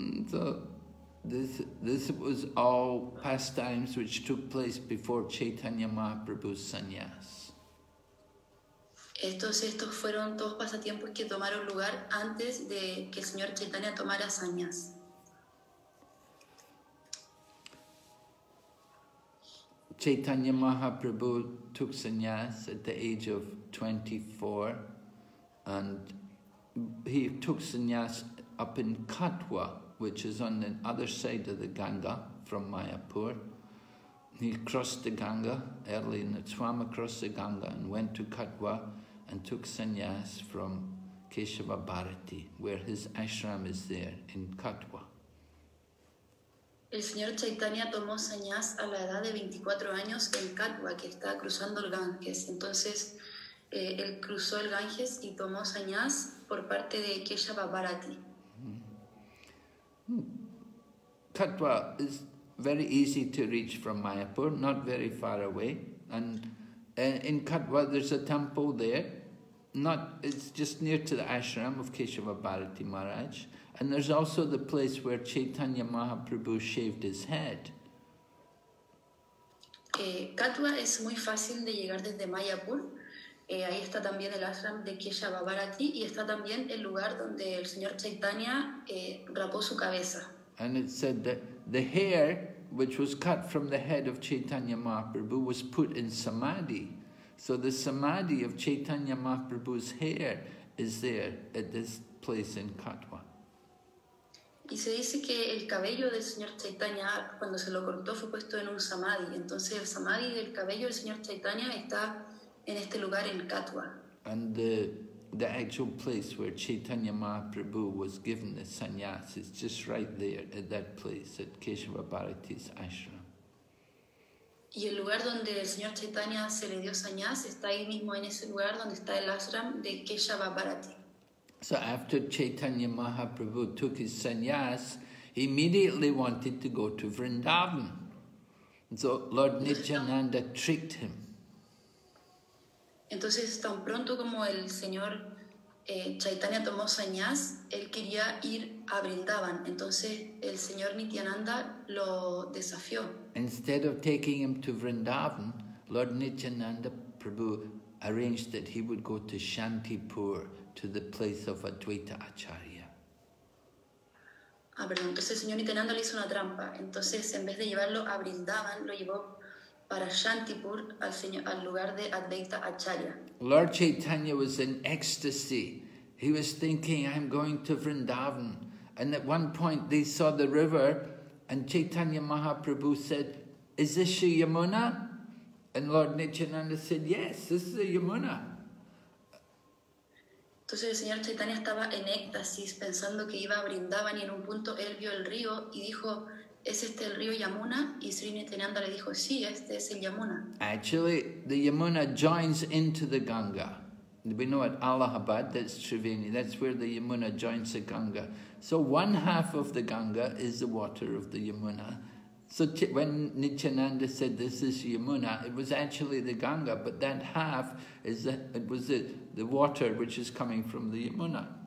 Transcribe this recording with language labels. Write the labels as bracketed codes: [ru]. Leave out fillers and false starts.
[en] So, this was all pastimes which took place before Chaitanya Mahaprabhu's sannyas. [es] Estos fueron todos pasatiempos que tomaron lugar antes de que el señor Chaitanya tomara sannyas. [en] Chaitanya Mahaprabhu took sannyas at the age of 24 and he took sannyas up in Katwa, which is on the other side of the Ganga from Mayapur. He crossed the Ganga early and swam across the Ganga and went to Katwa and took sannyas from Keshava Bharati, where his ashram is there in Katwa. [es] El señor Chaitanya tomó sannyas a la edad de 24 años en Katwa, que está cruzando el Ganges. Entonces, él cruzó el Ganges y tomó sannyas por parte de Kesha Babarati. [en] Tatwa is very easy to reach from Mayapur, not very far away, and in Katwa there's a temple there, not it's just near to the ashram of Keshava Bharati Maharaj, and there's also the place where Chaitanya Mahaprabhu shaved his head. [es] Katwa es muy fácil de llegar desde Mayapur. Ahí está también el ashram de Keshava Bharati y está también el lugar donde el señor Chaitanya rapó su cabeza. [en] And it said that the hair which was cut from the head of Chaitanya Mahaprabhu was put in samadhi. So the samadhi of Chaitanya Mahaprabhu's hair is there at this place in Katwa. [es] Y se dice que el cabello del señor Chaitanya, cuando se lo cortó, fue puesto en un samadhi. Entonces el samadhi del cabello del señor Chaitanya está en este lugar, en Katwa. [en] And the actual place where Chaitanya Mahaprabhu was given the sannyas is just right there at that place at Keshava Bharati's ashram. [es] Y el lugar donde el señor Chaitanya se le dio sannyas está ahí mismo, en ese lugar donde está el ashram de Keshava Bharati. [en] So after Chaitanya Mahaprabhu took his sannyas, he immediately wanted to go to Vrindavan. So Lord Nityananda tricked him. [es] Entonces, tan pronto como el señor Chaitanya tomó sannyas, él quería ir a Vrindavan. Entonces, el señor Nityananda lo desafió. [en] Instead of taking him to Vrindavan, Lord Nityananda Prabhu arranged that he would go to Shantipur, to the place of Advaita Acharya. [es] Ah, perdón. Entonces, el señor Nityananda le hizo una trampa. Entonces, en vez de llevarlo a Vrindavan, lo llevó para Shantipur, al señor, al lugar de Advaita Acharya. [en] Lord Chaitanya was in ecstasy. He was thinking, I'm going to Vrindavan. And at one point they saw the river and Chaitanya Mahaprabhu said, is this the Yamuna? And Lord Nityananda said, yes, this is the Yamuna. [es] Entonces el señor Chaitanya estaba en éxtasis pensando que iba a Vrindavan y en un punto él vio el río y dijo, ¿es este el río Yamuna? Y Sri Nityananda le dijo, sí, este es el Yamuna. [en] Actually, the Yamuna joins into the Ganga. We know at Allahabad, that's Triveni, that's where the Yamuna joins the Ganga. So one half of the Ganga is the water of the Yamuna. So when Nityananda said, this is Yamuna, it was actually the Ganga, but that half is the water which is coming from the Yamuna.